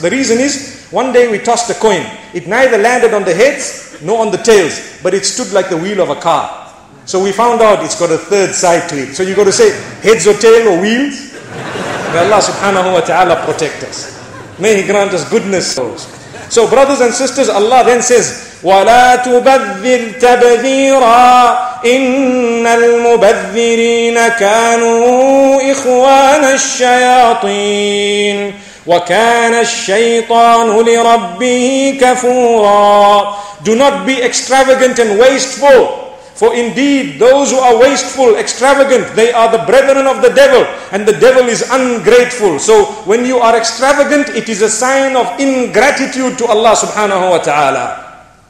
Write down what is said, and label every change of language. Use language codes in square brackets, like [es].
[en] The reason is, one day we tossed a coin. It neither landed on the heads nor on the tails, but it stood like the wheel of a car. So we found out it's got a third side to it. So you got to say heads or tail or wheels. May Allah subhanahu wa ta'ala protect us. May He grant us goodness. So brothers and sisters, Allah then says, [ar] وَلَا تُبَذِّرْ تَبَذِيرًا إِنَّ الْمُبَذِّرِينَ كَانُوا إِخْوَانَ الشَّيَاطِينَ وَكَانَ الشَّيْطَانُ لِرَبِّهِ كَفُورًا. [en] Do not be extravagant and wasteful. For indeed, those who are wasteful, extravagant, they are the brethren of the devil. And the devil is ungrateful. So when you are extravagant, it is a sign of ingratitude to Allah subhanahu wa ta'ala.